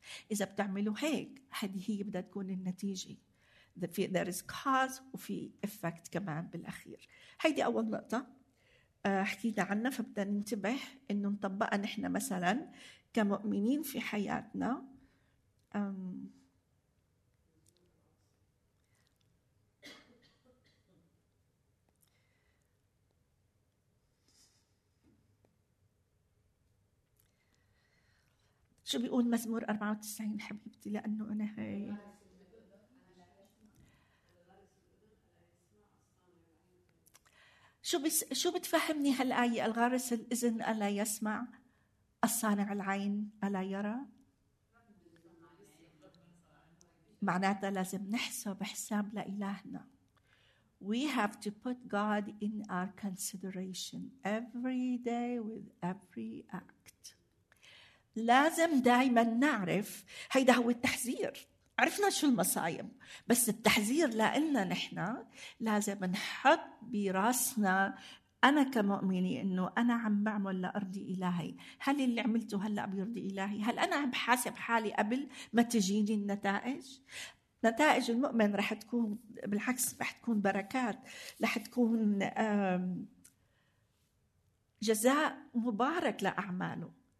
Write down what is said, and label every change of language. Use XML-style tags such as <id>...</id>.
<ar>إذا بتعملوا هيك هذه هي بدها تكون النتيجة.</ar> <en>There is cause</en> <ar>وفي</ar> <en>effect</en> <ar>كمان بالأخير. هيدي أول نقطة حكينا عنها. فبدأ ننتبه إنه نطبقها نحن مثلا كمؤمنين في حياتنا. شو بيقول مزمور 94 حبيبتي؟ لأنه أنا هاي شو بتفهمني هالآية؟ الغارس الإذن ألا يسمع، الصانع العين ألا يرى؟ معناتها لازم نحسب حساب لإلهنا.</ar> <en>We have to put God in our consideration every day with every act.</en> <ar>لازم دائما نعرف. هيدا هو التحذير. عرفنا شو المصايب، بس التحذير لإلنا نحنا. لازم نحط براسنا أنا كمؤمني إنه أنا عم بعمل لأرضي إلهي. هل اللي عملته هلأ بيرضي إلهي؟ هل أنا عم بحاسب حالي قبل ما تجيني النتائج؟ نتائج المؤمن رح تكون بالعكس، رح تكون بركات، رح تكون جزاء مبارك لأعماله.</ar>